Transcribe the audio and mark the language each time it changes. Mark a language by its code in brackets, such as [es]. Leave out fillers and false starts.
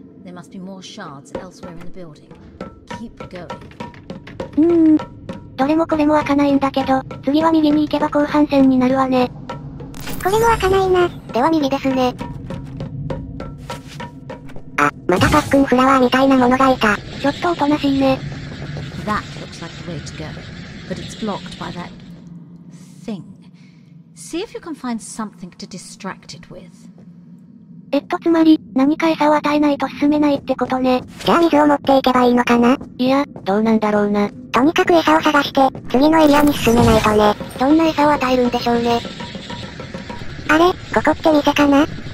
[en] There must be more shards elsewhere in the building. Keep going. [ja] どれもこれも開かないんだけど、次は右に行けば後半戦になるわね。これも開かないな。では右ですね。あ、またパックンフラワーみたいなものがいた。ちょっとおとなしいね。 [en] That looks like the way to go, but it's blocked by that thing. See if you can find something to distract it with. [ja] つまり、何か餌を与えないと進めないってことね。じゃあ水を持っていけばいいのかな？いや、どうなんだろうな。とにかく餌を探して、次のエリアに進めないとね。どんな餌を与えるんでしょうね。あれ、ここって店かな？